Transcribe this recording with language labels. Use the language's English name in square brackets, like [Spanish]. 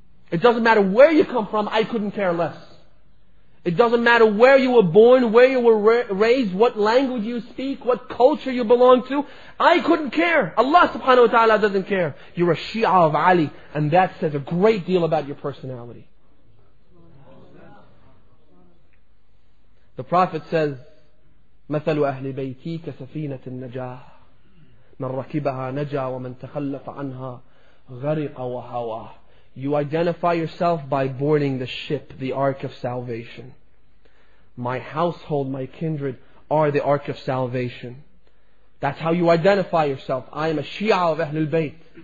[English] It doesn't matter where you come from, I couldn't care less. It doesn't matter where you were born, where you were raised, what language you speak, what culture you belong to. I couldn't care. Allah subhanahu wa ta'ala doesn't care. You're a Shia of Ali, and that says a great deal about your personality. The Prophet says, [Arabic] مَثَلُ أَهْلِ بَيْتِي كَسَفِينَةِ النَّجَاهِ مَنْ رَكِبَهَا نَجَاهَ وَمَنْ تَخَلَّفَ عَنْهَا غَرِقَ وَهَوَاهِ. [English] You identify yourself by boarding the ship, the Ark of Salvation. My household, my kindred, are the Ark of Salvation. That's how you identify yourself. I am a Shia of Ahlul Bayt.